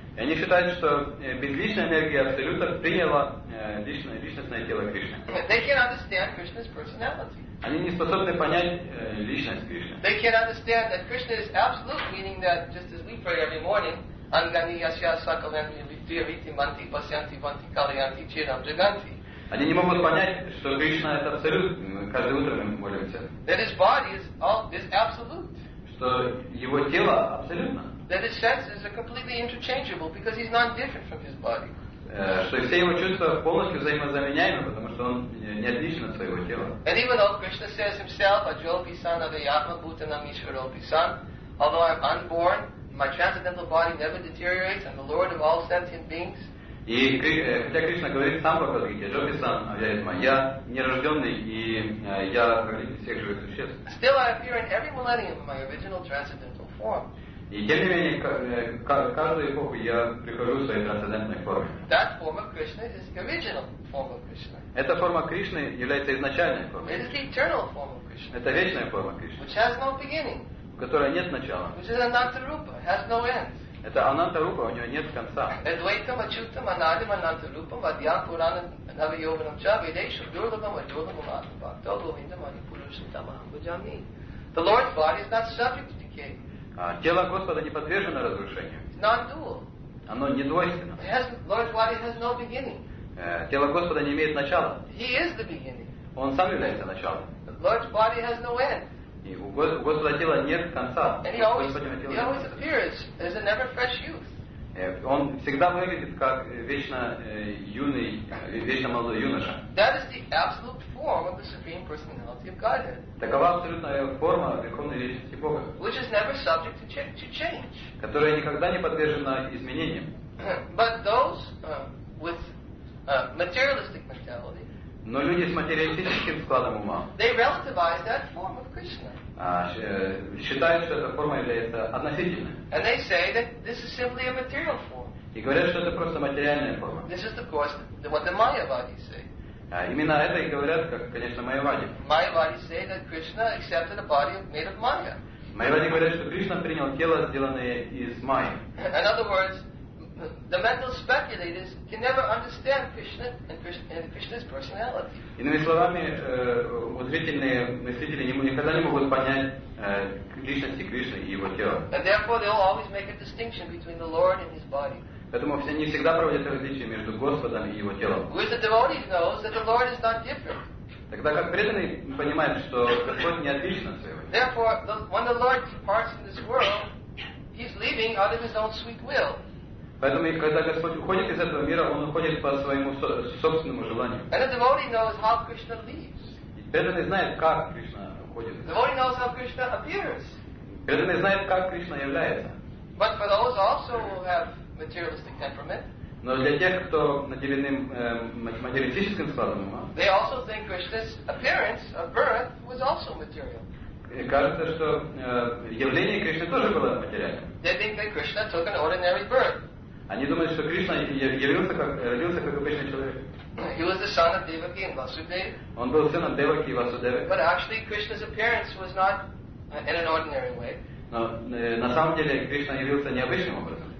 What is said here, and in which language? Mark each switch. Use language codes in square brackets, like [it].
[ru] И они считают, что безличная энергия Абсолюта приняла личностное тело Кришны. [en] They can't understand Krishna's personality. [ru] Они не способны понять личность Кришны. [en] They can't understand that Krishna is absolute, meaning that just as we pray every morning, [sa] Angani Yasya Sakalani Vidyaviti Manti Pasyanti Vanti Kalyanti Chiram Jaganti. [ru] Они не могут понять, что Кришна это Абсолют, каждое утро мы молимся. [en] That his body is absolute. [ru] Что его тело абсолютно. [en] That his senses are completely interchangeable because he's not different from his body. [ru] Что все его чувства полностью взаимозаменяемы, потому что он не отличен от своего тела. [en] And even though Krishna says himself, [sa] Ajopi san avayatma bhutanam ishwaropi san, [en] although I'm unborn, my transcendental body never deteriorates, I'm the Lord of all sentient beings. [ru] И хотя Кришна говорит сам по Бхагавад-гите, [sa] Ajopi san avayatma, [ru] я нерожденный и я хранитель всех живых существ. [en] Still I appear in every millennium in my original transcendental form. [ru] И тем не менее, каждую эпоху я прихожу в своей трансцендентной форме. [en] That form of Krishna is the original form of Krishna. [ru] Эта форма Кришны является изначальной формой. [en] It is the eternal form of Krishna. [ru] Это вечная форма Кришны. [en] Which has no beginning. [ru] У которой нет начала. [en] Which is ananta rupa, has no end. [ru] Это ананта рупа, у нее нет конца. [sa] Advaitam achutam anadim ananta rupam adhyam puranam navayovanam ca vedesham durlabam adyodamam atabhaktam govindam anipurushan tamaham bhajami. [en] The Lord's body is not subject to decay. [ru] Тело Господа не подвержено разрушению. [en] It's non-dual. [ru] Оно не двойственно. [en] It has, Lord's body has no beginning. [ru] Тело Господа не имеет начала. [en] He is the beginning. [ru] Он сам является началом. [en] Lord's body has no end. [ru] И у Господа тела нет конца. [en] And he always appears as a never fresh youth. [ru] Он всегда выглядит как вечно юный, вечно молодой юноша. [en] That is the absolute form of the Supreme Personality of Godhead. [ru] Такова абсолютная форма Верховной Личности Бога. [en] Which is never subject to change. [ru] Которая никогда не подвержена изменениям. [en] But those with materialistic mentality. [ru] Но люди с материалистическим складом ума. [en] They relativize that form of Krishna. [ru] Считают, что эта форма является относительной. [en] And they say that this is simply a material form. [ru] И говорят, что это просто материальная форма. [en] This is the course, what the Mayavadis say. [ru] Именно это и говорят, как, конечно, Майявади. [en] Mayavadis say that Krishna accepted a body made of Maya. [ru] Майявади говорят, что Кришна принял тело, сделанное из Майи. [en] In other words, the mental speculators can never understand Krishna and Krishna's personality. [ru] Иными словами, зрительные мыслители никогда не могут понять личности Кришны и его тела. [en] And therefore, they'll always make a distinction between the Lord and His body. [ru] Поэтому все не всегда проводят различие между Господом и Его телом. [en] With the devotee knows that the Lord is not different. [ru] Тогда как преданный понимает, что Господь не отличен от своего. [en] Therefore, when the Lord departs in this world, He's leaving out of His own sweet will. [ru] Поэтому, когда Господь уходит из этого мира, Он уходит по своему собственному желанию. [en] And the devotee knows how Krishna leaves. [ru] Преданный знает, как Кришна уходит. [en] The devotee knows how Krishna appears. [ru] Преданный знает, как Кришна является. [en] But for those also who have materialistic temperament. [ru] Но для тех, кто наделен материалистическим складом ума, [en] they also think Krishna's appearance of birth was also material. [ru] Кажется, что явление Кришны тоже было материальным. [en] They think that Krishna took an ordinary birth. [ru] Они думают, что Кришна явился как обычный человек. [en] He was the son of Devaki and Vasudeva. [ru] Он был сыном Деваки и Васудевы. [en] But actually, Krishna's appearance was not in an ordinary way. [ru] Но на самом деле Кришна явился необычным образом.